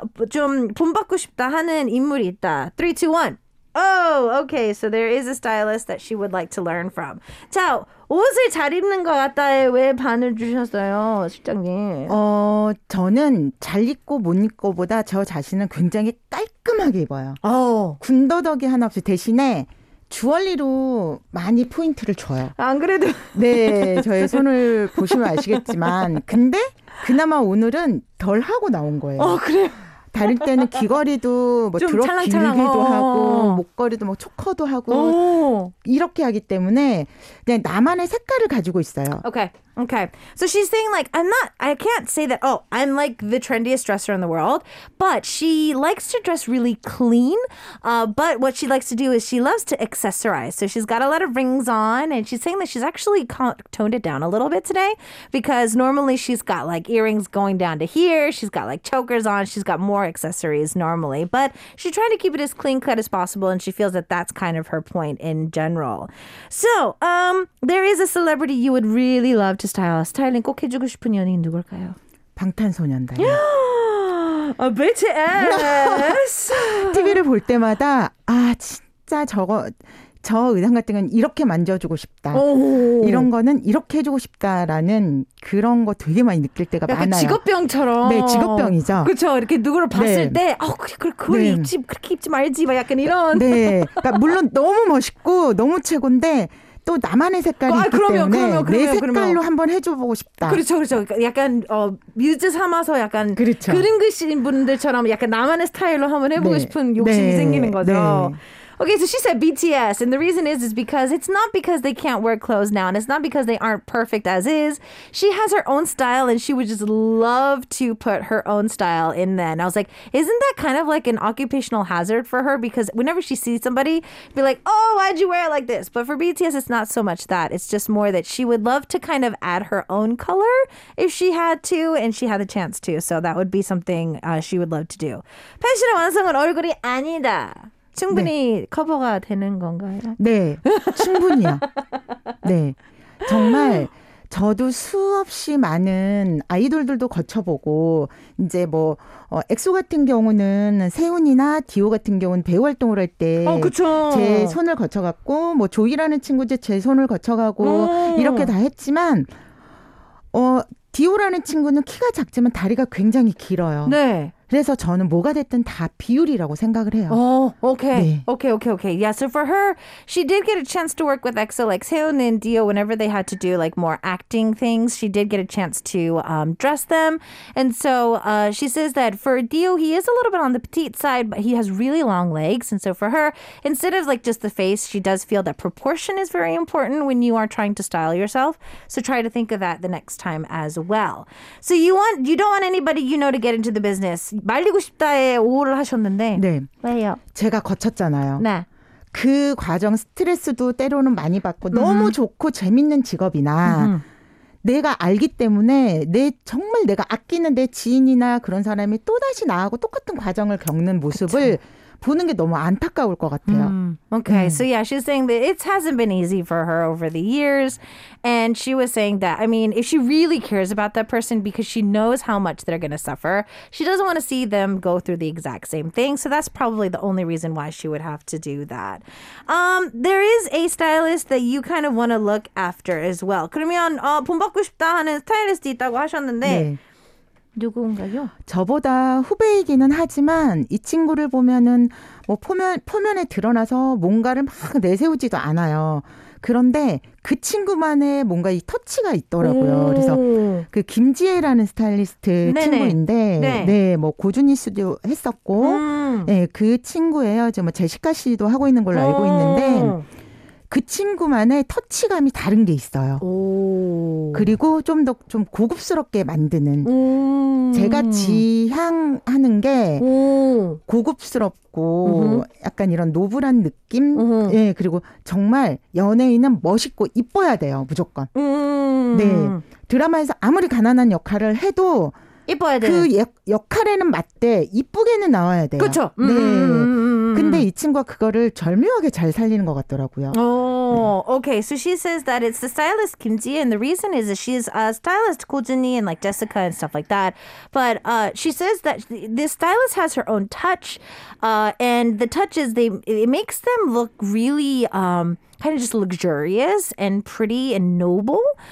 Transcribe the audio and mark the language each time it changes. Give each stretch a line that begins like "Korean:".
Korean: 좀 본받고 싶다 하는 인물이 있다.
English: 3, 2, 1. Oh, okay. So there is a stylist that she would like to learn from.
Korean: 자, 옷을 잘 입는 것 같다에 왜 반을 주셨어요, 실장님? 저는 잘 입고 못 입고보다 저 자신은 굉장히 깔끔하게 입어요. 군더더기 하나 없이 대신에 주얼리로 많이 포인트를 줘요. 안 그래도. 네, 저의 손을 보시면 아시겠지만. 근데 그나마 오늘은 덜 하고 나온 거예요. 그래요? 다릴 때는 귀걸이도 뭐 드롭 길기도 하고 목걸이도 뭐 초커도 하고 이렇게 하기 때문에 그냥 나만의 색깔을 가지고 있어요.
English: Okay. Okay. So she's saying like I can't say that I'm like the trendiest dresser in the world, but she likes to dress really clean. But what she likes to do is she loves to accessorize. So she's got a lot of rings on and she's saying that she's actually toned it down a little bit today because normally she's got like earrings going down to here, she's got like chokers on, she's got more accessories normally, but she's trying to keep it as clean cut as possible and she feels that that's kind of her point in general. So, there is a celebrity you would really love to style.
Korean: 스타일링 꼭 해주고 싶은 연예인 누굴까요? 방탄소년단.
English: BTS.
Korean: TV를 볼 때마다 진짜 저거 저 의상 같은 건 이렇게 만져주고 싶다. 이런 거는 이렇게 해주고 싶다라는 그런 거 되게 많이 느낄 때가 약간 많아요. 직업병처럼. 네, 직업병이죠. 그렇죠. 이렇게 누구를 봤을 때, 그걸 입지, 그렇게 입지 말지, 막 약간 이런. 네. 그러니까 물론 너무 멋있고 너무 최고인데. 또 나만의 색깔이 있기 그러면, 때문에 그러면. 한번 해줘보고 싶다. 그렇죠. 약간 뮤즈 삼아서 약간 그렇죠. 그림 그리신 분들처럼 약간 나만의 스타일로 한번 해보고 싶은 욕심이 생기는 거죠. 네.
English: Okay, so she said BTS, and the reason is because it's not because they can't wear clothes now, and it's not because they aren't perfect as is. She has her own style, and she would just love to put her own style in then. I was like, isn't that kind of like an occupational hazard for her? Because whenever she sees somebody, be like, why'd you wear it like this? But for BTS, it's not so much that. It's just more that she would love to kind of add her own color if she had to, and she had the chance to. So that would be something she would love to do.
Korean: 패션의 완성은 얼굴이 아니다. 충분히 커버가 되는 건가요? 네, 충분히요. 네, 정말 저도 수없이 많은 아이돌들도 거쳐보고 이제 뭐 엑소 같은 경우는 세훈이나 디오 같은 경우는 배우 활동을 할 때 제 손을 거쳐갖고 뭐 조이라는 친구도 제 손을 거쳐가고 이렇게 다 했지만 디오라는 친구는 키가 작지만 다리가 굉장히 길어요. 네. 그래서 저는 뭐가 됐든 다 비율이라고 생각을 해요.
English: Okay. Yeah, so for her, she did get a chance to work with EXO, like Seon and Dio, whenever they had to do like more acting things, she did get a chance to dress them. And so she says that for Dio, he is a little bit on the petite side, but he has really long legs. And so for her, instead of like just the face, she does feel that proportion is very important when you are trying to style yourself. So try to think of that the next time as well. So you don't want anybody you know to get into the business.
Korean: 말리고 싶다에 오를 하셨는데 네. 왜요? 제가 거쳤잖아요. 네. 그 과정 스트레스도 때로는 많이 받고 너무 좋고 재밌는 직업이나 내가 알기 때문에 정말 내가 아끼는 내 지인이나 그런 사람이 또다시 나하고 똑같은 과정을 겪는 모습을 그쵸. 보는 게 너무 안타까울 것 같아요.
English: Okay, so yeah, she's saying that it hasn't been easy for her over the years. And she was saying that, I mean, if she really cares about that person because she knows how much they're going to suffer, she doesn't want to see them go through the exact same thing. So that's probably the only reason why she would have to do that. There is a stylist that you kind of want to look after as well.
Korean: 그러면 본받고 싶다 하는 스타일리스트 있다고 하셨는데 네. 누군가요? 저보다 후배이기는 하지만 이 친구를 보면은 뭐 표면에 드러나서 뭔가를 막 내세우지도 않아요. 그런데 그 친구만의 뭔가 이 터치가 있더라고요. 그래서 그 김지혜라는 스타일리스트 네네. 친구인데 네. 네, 뭐 고준희 씨도 했었고 네, 그 친구예요. 지금 뭐 제시카 씨도 하고 있는 걸로 알고 있는데 그 친구만의 터치감이 다른 게 있어요. 오. 그리고 좀 더 좀 고급스럽게 만드는 제가 지향하는 게 고급스럽고 약간 이런 노블한 느낌 예, 그리고 정말 연예인은 멋있고 이뻐야 돼요. 무조건. 네. 드라마에서 아무리 가난한 역할을 해도 이뻐야 돼. 그 역할에는 맞대. 이쁘게는 나와야 돼요. 그렇죠. 네. 근데 이 친구가 그거를 절묘하게 잘 살리는 것 같더라고요.
English: Okay, so she says that it's the stylist Kim Ji, and the reason is that she's a stylist Ko Jin Hee and like Jessica and stuff like that. But she says that this stylist has her own touch, and the touch is it makes them look really kind of just luxurious and pretty and noble.